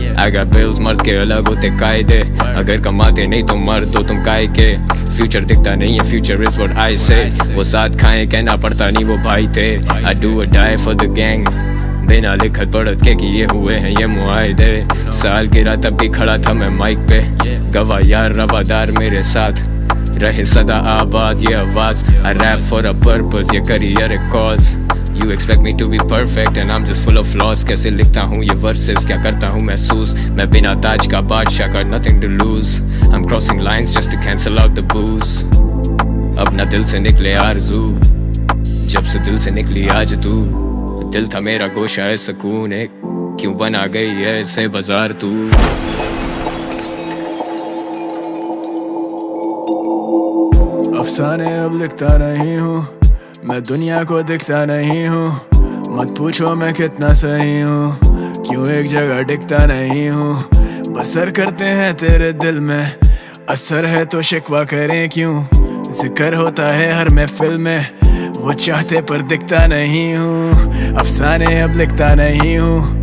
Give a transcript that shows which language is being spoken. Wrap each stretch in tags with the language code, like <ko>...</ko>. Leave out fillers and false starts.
<hi>अगर बिल्स मर्द के अलग होते कायदे, अगर कमाते नहीं तो मर्द हो तुम काय के, फ्यूचर दिखता नहीं है</hi> <en>future is what I say,</en> <hi>वो साथ खाएं कहना पड़ता नहीं वो भाई थे,</hi> <en>I do a die for the gang,</en> <hi>बिना लिखत पढ़त के किए हुए हैं ये मुआहदे, साल गिरा तब भी खड़ा था मैं माइक पे, गवाह यार रवादार मेरे साथ, रहे सदा आबाद ये आवाज,</hi> <en>I rap for a purpose</en> <hi>ये करियर एक cause,</hi> <en>You expect me to be perfect and I'm just full of flaws.</en> <hi>कैसे लिखता हूँ ये verses, क्या करता हूँ महसूस, मैं बिना ताज का बादशाह का</hi> <en>nothing to lose. I'm crossing lines just to cancel out the booze.</en> <hi>अब ना दिल से निकले आरज़ू, जब से दिल से निकली आज तू, दिल था मेरा गोशा है सुकून एक, क्यों बना गई है ऐसे बाजार तू. अफसाने अब लिखता नहीं हूँ, मैं दुनिया को दिखता नहीं हूँ, मत पूछो मैं कितना सही हूँ, क्यों एक जगह टिकता नहीं हूँ, बसर करते हैं तेरे दिल में, असर है तो शिकवा करें क्यों, जिक्र होता है हर महफिल में, वो चाहते पर दिखता नहीं हूँ, अफसाने अब लिखता नहीं हूँ,</hi>